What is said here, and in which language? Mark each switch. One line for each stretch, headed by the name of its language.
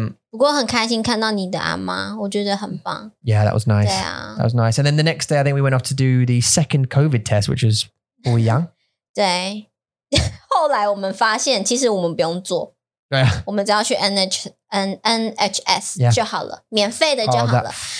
Chinese: 不过很开心看到你的阿妈, 我觉得很棒.
English: Yeah, that was nice.
Chinese: 对啊.
English: That was nice. And then the next day, I think we went off to do the second COVID test, which was
Chinese: 不一样. 对. 后来我们发现其实我们不用做。对啊, 我们只要去 NHS 就好了, 免费的就好了。